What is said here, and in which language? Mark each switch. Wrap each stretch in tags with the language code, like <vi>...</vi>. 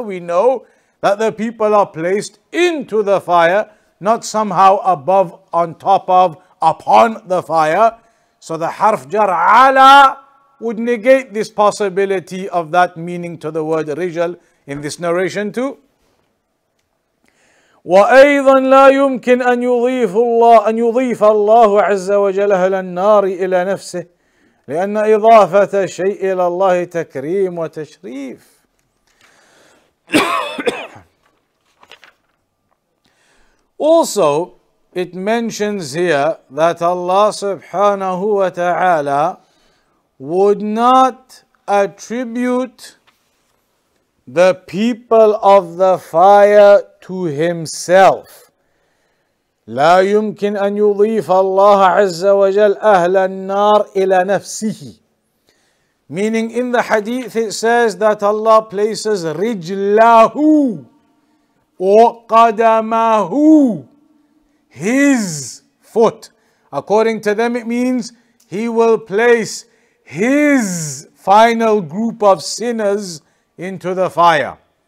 <en>We know that the people are placed into the fire, not somehow above, on top of, upon the fire. So the harf jar ala would negate this possibility of that meaning to the word rijal in this narration too.</en> <ar>وأيضا لا يمكن أن يضيف الله أن يضيف الله عز وجل أهل النار إلى نفسه لأن إضافة شيء إلى الله تكريم وتشريف.</ar> <en>Also, it mentions here that Allah سبحانه وتعالى would not attribute the people of the fire to himself.</en> <ar>لا يمكن أن يضيف الله عز وجل أهل النار إلى نفسه.</ar> <en>Meaning in the hadith it says that Allah places رجله وقدمه, his foot. According to them it means he will place his final group of sinners into the fire.</en>